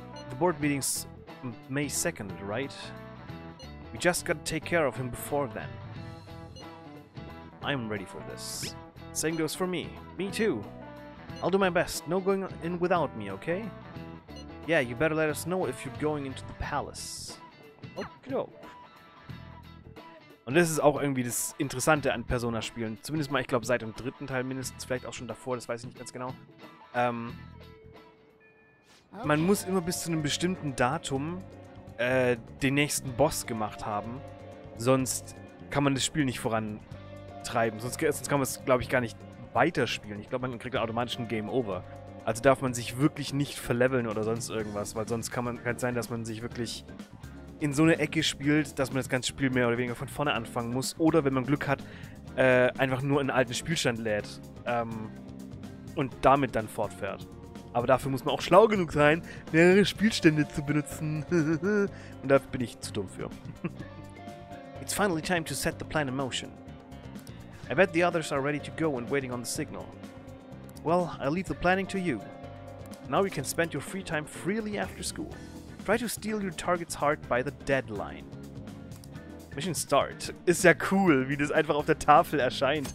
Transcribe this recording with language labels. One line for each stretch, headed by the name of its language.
English: The board meeting's May 2nd, right? We just gotta take care of him before then. I'm ready for this. Same goes for me. Me too. I'll do my best. No going in without me, okay? Yeah, you better let us know if you're going into the palace. Okidoki.
German: Und das ist auch irgendwie das Interessante an Persona-Spielen. Zumindest mal, ich glaube, seit dem dritten Teil mindestens. Vielleicht auch schon davor, das weiß ich nicht ganz genau. Man muss immer bis zu einem bestimmten Datum den nächsten Boss gemacht haben, sonst kann man das Spiel nicht vorantreiben. Sonst kann man es, glaube ich, gar nicht weiterspielen. Ich glaube, man kriegt automatisch ein Game Over. Also darf man sich wirklich nicht verleveln oder sonst irgendwas, weil sonst kann es sein, dass man sich wirklich in so eine Ecke spielt, dass man das ganze Spiel mehr oder weniger von vorne anfangen muss. Oder wenn man Glück hat, einfach nur einen alten Spielstand lädt und damit dann fortfährt. Aber dafür muss man auch schlau genug sein, mehrere Spielstände zu benutzen. Und da bin ich zu dumm für.
English: It's finally time to set the plan in motion. I bet the others are ready to go and waiting on the signal. Well, I'll leave the planning to you. Now you can spend your free time freely after school. Try to steal your target's heart by the deadline. Mission start.
German: Ist ja cool, wie das einfach auf der Tafel erscheint.